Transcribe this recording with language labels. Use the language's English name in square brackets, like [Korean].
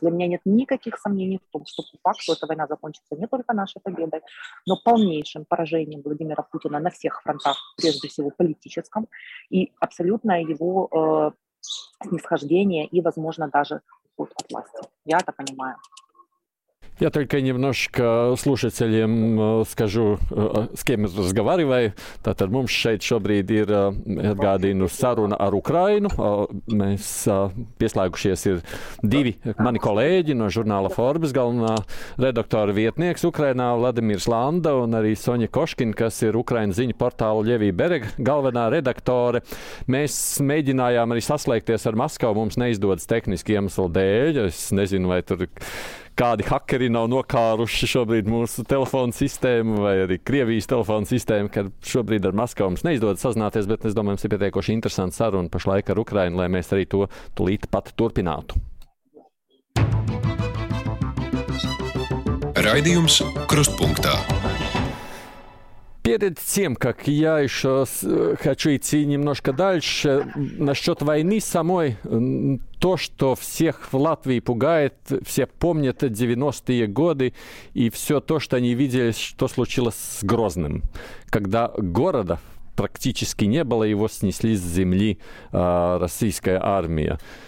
[Russian] Для меня нет никаких сомнений в том, что факт, что эта война закончится не только нашей победой, но полнейшим поражением Владимира Путина на всех фронтах, прежде всего политическом, и абсолютно его снисхождение и, возможно, даже от власти. Я это понимаю. Я только немножко слушателям скажу, с кем разговариваю. [Latvian] Tātad mums šeit šobrīd ir atgādīnu saruna ar Ukrainu. Mēs pieslēgušies ir divi mani kolēģi no žurnāla Forbes, galvenā redaktora vietnieks Ukrainā, Vladimirs Landa un arī Soņa Koškin, kas ir Ukraina ziņu portāla Ļevī Bereg, galvenā redaktore. Mēs mēģinājām arī saslēgties ar Maskavu, mums neizdodas tehniski iemeslu dēļ. Es nezinu, vai tur kādi hakeri nav nokāruši šobrīd mūsu telefonu sistēmu vai arī Krievijas telefonu sistēmu, kad šobrīd ar Maskavu mums neizdodas sazināties, bet es domāju, mums ir pietiekoši interesanti saruna pašlaik ar Ukrainu, lai mēs arī to tulīt pat turpinātu. Raidījums krustpunktā. [Russian] Перед тем, как я еще хочу идти немножко дальше, насчет войны самой, то, что всех в Латвии пугает, все помнят 90-е годы и все то, что они видели, что случилось с Грозным, когда города практически не было, его снесли с земли российская армия.